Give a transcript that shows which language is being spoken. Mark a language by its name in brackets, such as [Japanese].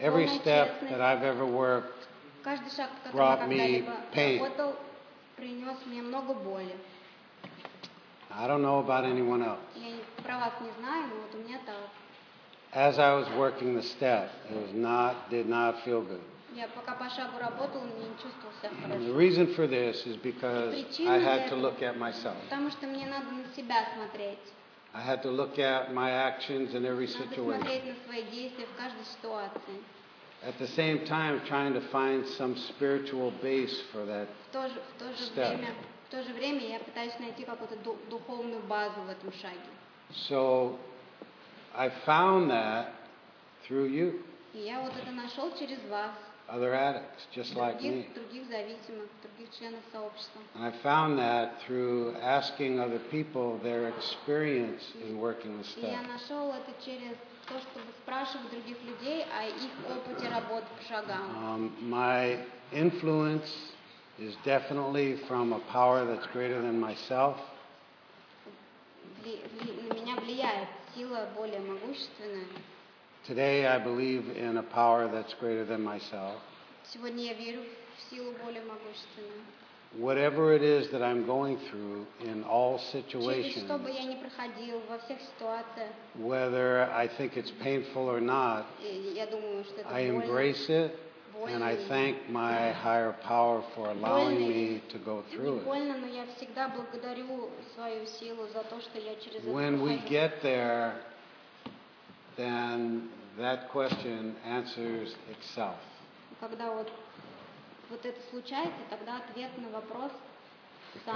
[English] Every step that I've ever worked brought me pain. [Russian] Принес мне много боли. [English] I don't know about anyone else. [Russian] Я про вас не знаю, но вот у меня так. [English] As I was working the step, it was not did not feel good. [Russian] Я пока по шагу работал, мне не чувствовал себя хорошо. [English] And the reason for this is because I had to look at myself. [Russian] Потому что мне надо на себя смотреть. [English] I had to look at my actions in every situation. [Russian] Надо смотреть на свои действия в каждой ситуации. [English] At the same time, trying to find some spiritual base for that step. [Russian] В то же время я пытаюсь найти какую-то духовную базу в этом шаге. [English] So, I found that through you. [Russian] И я вот это нашел через вас. [English] Other addicts, just like me. [Russian] Других зависимых, других членов сообщества. [English] And I found that through asking other people their experience in working with step. [Russian] Я нашел это через то, чтобы спрашивать других людей о их опыте работы по шагам. [English] My influence is definitely from a power that's greater than myself. [Russian] На меня влияет сила более могущественная. [English] Today I believe in a power that's greater than myself. [Russian] Сегодня я верю в силу более могущественную. [English] Whatever it is that I'm going through in all situations. [Russian] Через что бы я ни проходил во всех ситуациях. [English] Whether I think it's painful or not. [Russian] Я думаю, что это [English] I embrace it and I thank my higher power for allowing me to go through it. [Russian] Больно, но я всегда благодарю свою силу за то, что я через это прохожу. [English] When we get there, then that question answers itself. [Russian] Когда вот это случается, тогда ответ на вопрос сам.